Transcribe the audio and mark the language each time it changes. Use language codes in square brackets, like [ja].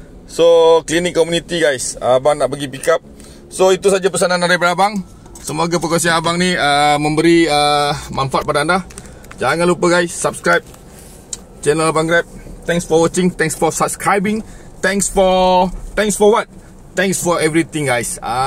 [ms] So klinik community guys, abang nak pergi pick up. So itu saja pesanan daripada abang. Semoga perkongsian abang ni memberi manfaat pada anda. Jangan lupa guys, subscribe channel abang Grab. [en] Thanks for watching, thanks for subscribing, thanks for what? Thanks for everything guys.